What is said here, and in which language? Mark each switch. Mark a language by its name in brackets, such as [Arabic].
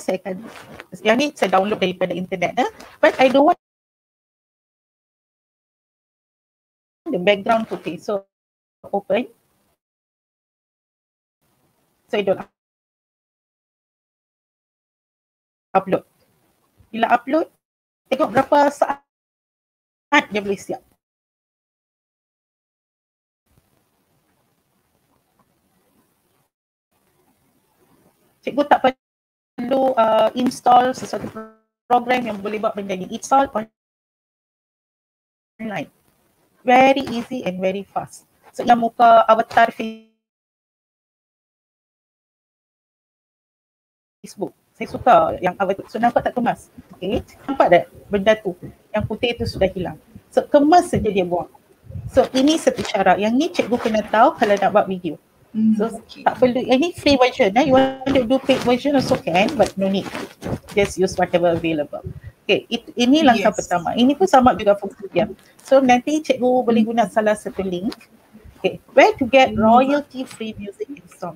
[Malay] Saya akan, yang ni saya download daripada internet. Eh? [English] But I don't want the background putih. So open. So I don't upload. [Malay] Bila upload, tengok berapa saat dia boleh siap. Cikgu tak perlu install sesuatu program yang boleh buat benda ni. [English] It's all online. Very easy and very fast. [Malay] So, yang muka avatar Facebook. Saya suka yang avatar. So, nampak tak kemas? Okay. Nampak tak benda tu? Yang putih tu sudah hilang. So, kemas saja dia buang. So, ini satu cara. Yang ni cikgu kena tahu kalau nak buat video. So, tak perlu. Ini free version. [English] Eh? You want to do paid version also can, but no need. Just use whatever available. Okay, [Malay] ini langkah [English] yes. Pertama. [Malay] Ini pun sama juga fungsi dia. So nanti cikgu boleh guna salah satu link. [English] Okay, where to get royalty free music and song.